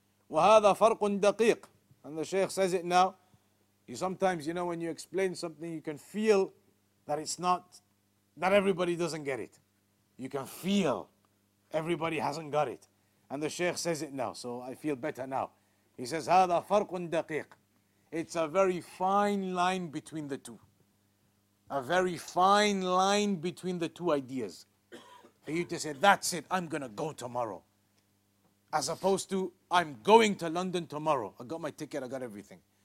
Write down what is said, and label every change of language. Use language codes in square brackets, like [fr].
[ar] وَهَذَا فَرْقٌ دَقِيقٌ. [en] And the Shaykh says it now. You sometimes, you know, when you explain something, you can feel that it's not, that everybody doesn't get it. You can feel everybody hasn't got it. And the Shaykh says it now, so I feel better now. He says, [ar] هَذَا فَرْقٌ دَقِيقٌ. [en] It's a very fine line between the two. A very fine line between the two ideas. For you to say, that's it, I'm going to go tomorrow. as opposed to I'm going to London tomorrow. I got my ticket, I got everything.